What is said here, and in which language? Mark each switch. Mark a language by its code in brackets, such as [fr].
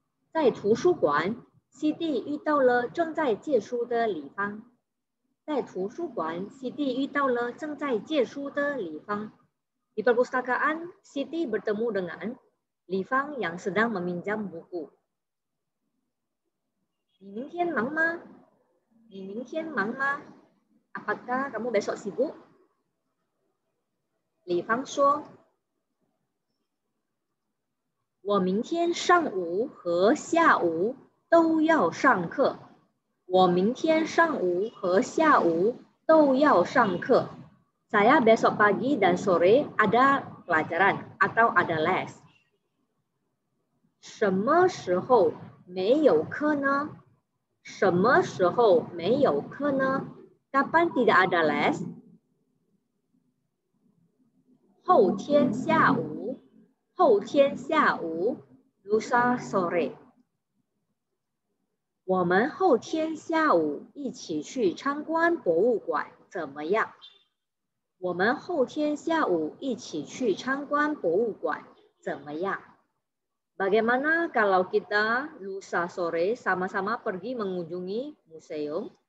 [id] Di tusukuan, [zh] CD 遇到了正在借书的李芳。在图书馆 ，CD 遇到了正在借书的李芳。 [id] Di perpustakaan, CD bertemu dengan Li Fang yang sedang meminjam buku. [zh] 你明天忙吗？你明天忙吗 ？ [id] Apakah kamu besok sibuk？ [zh] Li Fang 说：“我明天上午和下午。” 都要上课，我明天上午和下午都要上课。 [id] Saya besok pagi dan sore ada pelajaran atau ada les。 [zh] 什么时候没有课呢？什么时候没有课呢 ？ [id] Kapan tidak ada les？ [zh] 后天下午，后天下午 ， [id] lusa sore。 [zh] 我们后天下午一起去参观博物馆怎么样？我们后天下午一起去参观博物馆怎么样 [id] ？Bagaimana kalau kita lusa sore sama-sama pergi mengunjungi museum？